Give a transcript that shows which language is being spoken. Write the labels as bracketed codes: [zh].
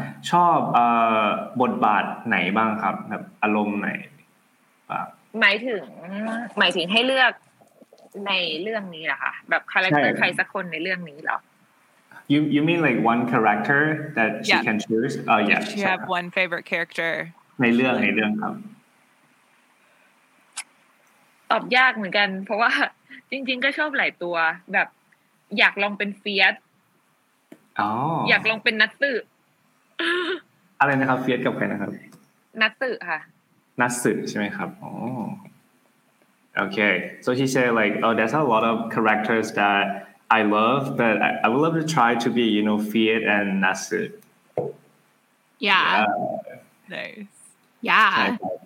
[th] ชอบบทบาทไหนบ้างครับแบบอารมณ์ไหนบ้าง หมายถึงให้เลือกในเรื่องนี้เหรอคะแบบคาแรคเตอร์ใครสักคนในเรื่องนี้เหรอ [en] You mean like one character that she can choose Oh yeah You have one favorite character [th] ในเรื่องครับ ตอบยากเหมือนกันเพราะว่าจริงๆก็ชอบหลายตัวแบบอยากลองเป็นเฟียส อ ยากลองเป็นนัตสึ อะไรนะครับเฟียสกับใครนะครับ นัตสึค่ะ นัสสึใช่ไหมครับโอเค [en] so she said like oh there's a lot of characters that I love but I would love to try to be you know Fiat and Nasu yeah nice yeah